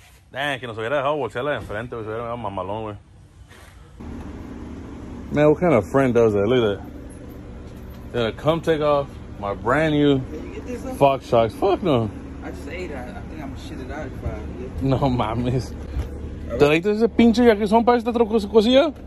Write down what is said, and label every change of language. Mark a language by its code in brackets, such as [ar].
[es] Damn, que nos hubiera dejado bolsearla de enfrente, se hubiera dejado mamalón, güey. [en] Man, what kind of friend does that? Look at that. They're gonna come take off my brand new Fox Shocks. Fuck no. I just ate it. I think I'm gonna shit it out if I get. [es] No mames. ¿Te leíste ese pinche ya que son para esta otra cosilla?